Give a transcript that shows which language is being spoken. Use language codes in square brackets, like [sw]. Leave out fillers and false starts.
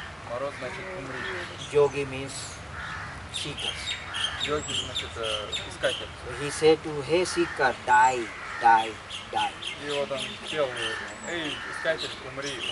[ru] Maro значит умри. [en] Jogi means seekers. [ru] Jogi значит искатель. [en] He said to hey seeker, die. [ru] И вот он пел, эй, искатель, умри.